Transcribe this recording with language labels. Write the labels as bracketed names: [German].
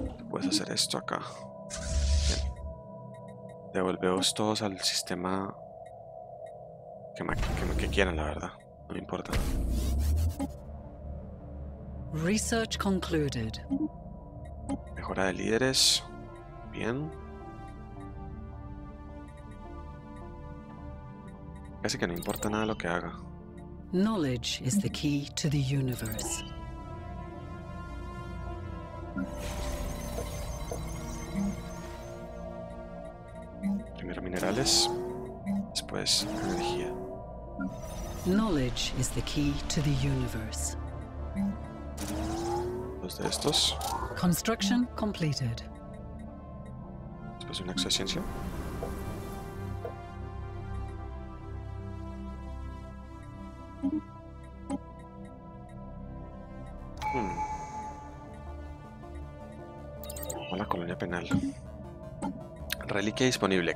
[Spanish] Puedes hacer esto acá. Bien. Devolveos todos al sistema que quieran, la verdad. No me importa. [English] Research concluded. [Spanish] Mejora de líderes. Bien. Casi que no importa nada lo que haga. [English] Knowledge is the key to the universe. [Spanish] Primero minerales, después energía. [English] Knowledge is the key to the universe. [Spanish] Dos de estos. [English] Construction completed. [Spanish] Después una exociencia. A la colonia penal. Reliquia disponible.